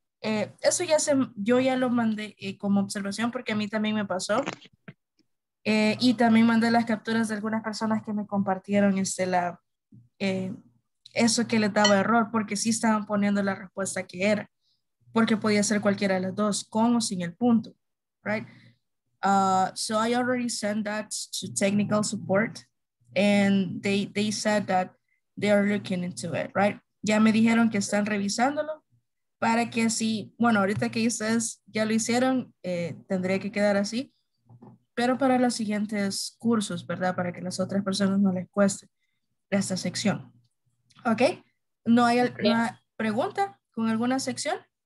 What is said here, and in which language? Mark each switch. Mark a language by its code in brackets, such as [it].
[es] Eso ya yo ya lo mandé como observación porque a mí también me pasó. Y también mandé las capturas de algunas personas que me compartieron eso que les daba error porque sí estaban poniendo la respuesta que era. Porque podía ser cualquiera de las dos, con o sin el punto. [en] Right. So I already sent that to technical support and they said that they are looking into it, right? [es] Ya me dijeron que están revisándolo para que así, bueno, ahorita que ustedes ya lo hicieron, tendría que quedar así, pero para los siguientes cursos, ¿verdad? Para que las otras personas no les cueste esta sección. ¿Ok? ¿No hay alguna pregunta con alguna sección?